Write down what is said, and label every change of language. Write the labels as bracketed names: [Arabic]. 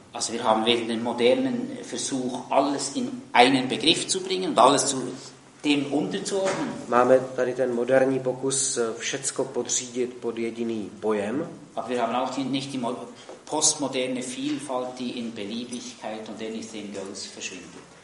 [German] Also wir haben während dem modernen Versuch alles in einen Begriff zu bringen und alles zu dem unterzuordnen. [Czech] Máme tady ten moderní pokus všecko podřídit pod jediný pojem. [German] Aber wir haben auch nicht die postmoderne Vielfalt, die in Beliebigkeit und [English] anything goes [German] verschwindet.